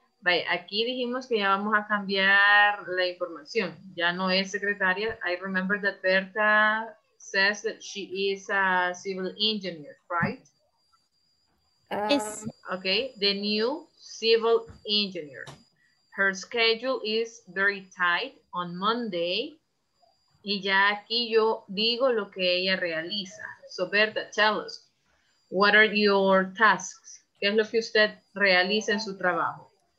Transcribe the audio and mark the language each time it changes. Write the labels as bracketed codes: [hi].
[es] Vale, aquí dijimos que ya vamos a cambiar la información. Ya no es secretaria. [en] I remember that Berta says that she is a civil engineer, right? Yes. Okay, the new civil engineer. Her schedule is very tight on Monday. [es] Y ya aquí yo digo lo que ella realiza. [en] So, Berta, tell us, what are your tasks? [es] ¿Qué es lo que usted realiza en su trabajo?